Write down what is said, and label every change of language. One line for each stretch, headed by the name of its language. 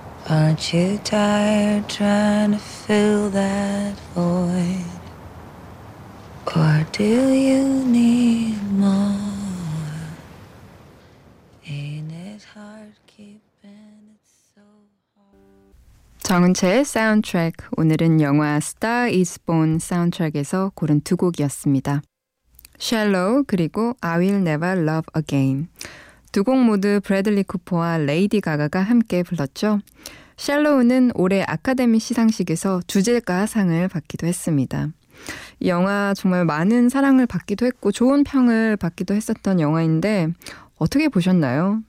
English: Aren't you tired trying to fill that void? Or do you need more? Ain't it hard keeping it so hard?
Korean: 정은채의 사운드트랙. 오늘은 영화 Star is Born 사운드트랙에서 고른 두 곡이었습니다. Shallow 그리고 I Will Never Love Again. 두 곡 모두 브래들리 쿠퍼와 레이디 가가가 함께 불렀죠. 샬로우는 올해 아카데미 시상식에서 주제가상을 받기도 했습니다. 이 영화 정말 많은 사랑을 받기도 했고 좋은 평을 받기도 했었던 영화인데 어떻게 보셨나요?